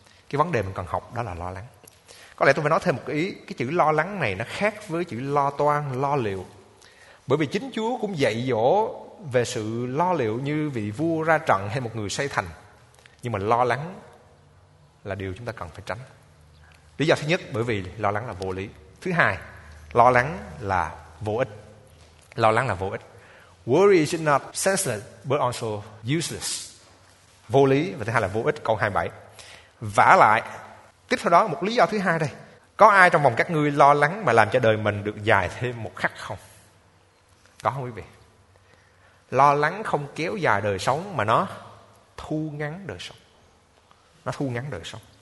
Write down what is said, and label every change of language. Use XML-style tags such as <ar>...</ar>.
<vi>Cái vấn đề mình cần học đó là lo lắng. Có lẽ tôi phải nói thêm một ý, cái chữ lo lắng này nó khác với chữ lo toan, lo liệu. Bởi vì chính Chúa cũng dạy dỗ về sự lo liệu như vị vua ra trận hay một người xây thành. Nhưng mà lo lắng là điều chúng ta cần phải tránh. Lý do thứ nhất, bởi vì lo lắng là vô lý. Thứ hai, lo lắng là vô ích. Lo lắng là vô ích.</vi> <en>Worry is not senseless, but also useless.</en> <vi>Vô lý và thứ hai là vô ích, câu 27. Vả lại, tiếp theo đó một lý do thứ hai đây. Có ai trong vòng các ngươi lo lắng mà làm cho đời mình được dài thêm một khắc không? Có không quý vị? Lo lắng không kéo dài đời sống mà nó thu ngắn đời sống. Nó thu ngắn đời sống.</vi>